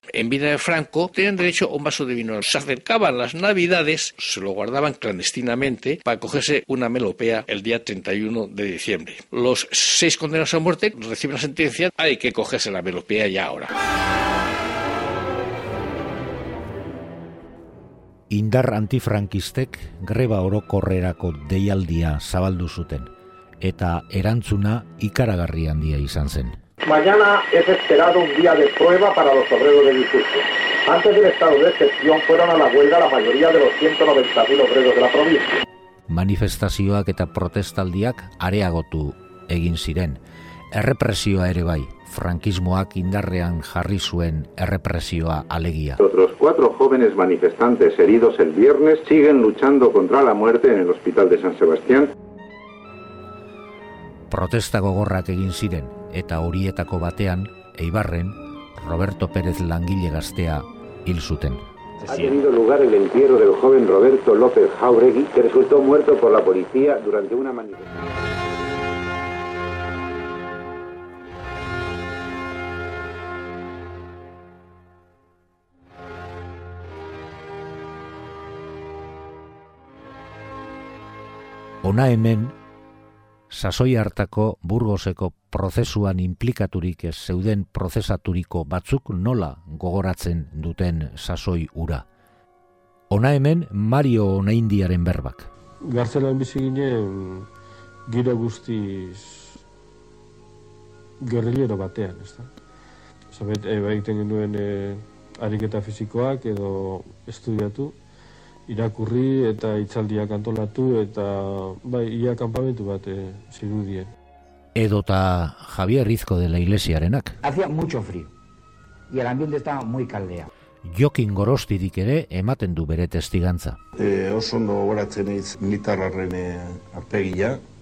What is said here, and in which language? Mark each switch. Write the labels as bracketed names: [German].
[Spanish] En vida de Franco, tenían derecho a un vaso de vino. Se acercaban las Navidades, se lo guardaban clandestinamente para cogerse una melopea el día 31 de diciembre. Los 6 condenados a muerte reciben la sentencia, hay que cogerse la melopea ya ahora. [Basque] Indar antifrankistek greba orokorrerako deialdia zabaldu zuten, eta erantzuna ikaragarri handia izan zen. [Spanish] Mañana es esperado un día de prueba para los obreros de Gipuzkoa. Antes del estado de excepción fueron a la huelga la mayoría de los 190.000 obreros de la provincia. [Basque] Manifestazioak eta protestaldiak areagotu egin ziren. Errepresioa ere bai, frankismoak indarrean jarri zuen errepresioa alegia. [Spanish] Otros 4 jóvenes manifestantes heridos el viernes siguen luchando contra la muerte en el hospital de San Sebastián. [Basque] Protesta gogorrak egin ziren, eta horietako batean, Eibarren, Roberto Pérez langile gaztea hil zuten. [Spanish] Ha tenido lugar el entierro del joven Roberto López Jauregui, que resultó muerto por la policía durante una manifestación. [Basque] Ona hemen, sasoi hartako Burgoseko prozesuan inplikaturik ez zeuden prozesaturiko batzuk nola gogoratzen duten sasoi hura. Ona hemen, Mario Oneindiaren berbak. Gartzelan bizi ginen, gira guztiz gerrilero batean, ez da? Zabet, egiten genuen ariketa fizikoak edo estudiatu, irakurri eta hitzaldiak antolatu eta bai ia kanpamentu bat zirudien. Edota Javier Rizko de la Iglesiarenak. [Spanish] Hacía mucho frío y el ambiente estaba muy caldea. [Basque] Jokin Gorostidik ere ematen du bere testigantza. Oso ondo gogoratzen naiz militarraren arpegia.